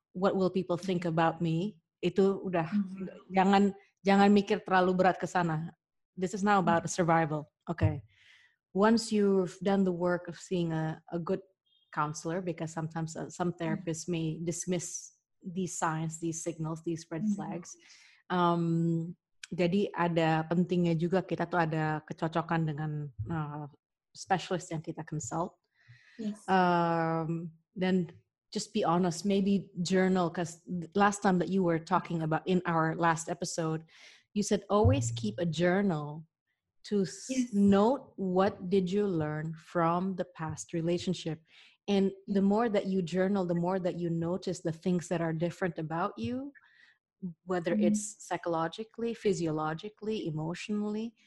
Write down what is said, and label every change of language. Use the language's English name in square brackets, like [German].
[English] What will people think about me? [Indonesian] Itu udah. [English] Mm-hmm. [Indonesian] Jangan mikir terlalu berat ke sana. [English] This is now about survival. Okay. Once you've done the work of seeing a good counselor, because sometimes some therapists may dismiss these signs, these signals, these red flags. [Indonesian] Jadi ada pentingnya juga kita tuh ada kecocokan dengan specialist yang kita consult. [English] Yes. Then just be honest, maybe journal, because last time that you were talking about in our last episode, you said always keep a journal to note what did you learn from the past relationship. And the more that you journal, the more that you notice the things that are different about you, whether it's psychologically, physiologically, emotionally.